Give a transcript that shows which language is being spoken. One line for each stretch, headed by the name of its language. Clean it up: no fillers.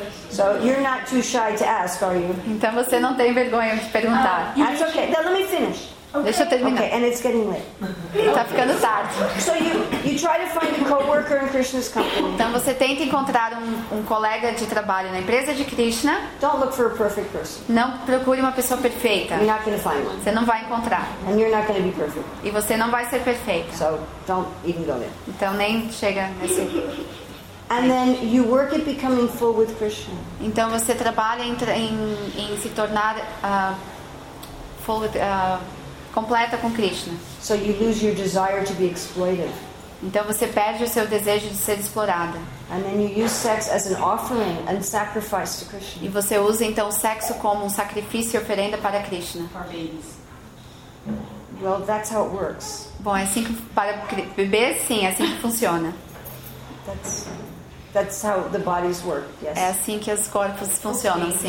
English: So you're not too shy to ask, are you?
Portuguese: Então você não tem vergonha de perguntar.
English: That's okay. Then let me finish. Okay.
Portuguese: Deixa eu terminar.
English: Okay, and it's getting late.
Portuguese: Tá ficando tarde.
English: So you try to find a coworker in Krishna's company.
Portuguese: Então você tenta encontrar um colega de trabalho na empresa de Krishna.
English: Don't look for a perfect person.
Portuguese: Não procure uma pessoa perfeita.
English: You're not going to find one.
Portuguese: Você não vai encontrar.
English: And you're not going to be perfect.
Portuguese: E você não vai ser perfeita.
English: So don't even go there.
Portuguese: Então nem chega nesse.
English: And then you work at becoming full with Krishna.
Portuguese: Então você trabalha em se tornar
English: full with,
Portuguese: completa com Krishna.
English: So you lose your desire to be exploited.
Portuguese: Então você perde o seu desejo de ser explorada.
English: And then you use sex as an offering and sacrifice to Krishna.
Portuguese: E você usa então o sexo como um sacrifício e oferenda para Krishna.
English: For babies. Well, that's how it works.
Portuguese: Bom, é assim que para bebês, sim, é assim que funciona.
English: That's how the bodies work. Yes.
Portuguese: É assim que os corpos funcionam, sim.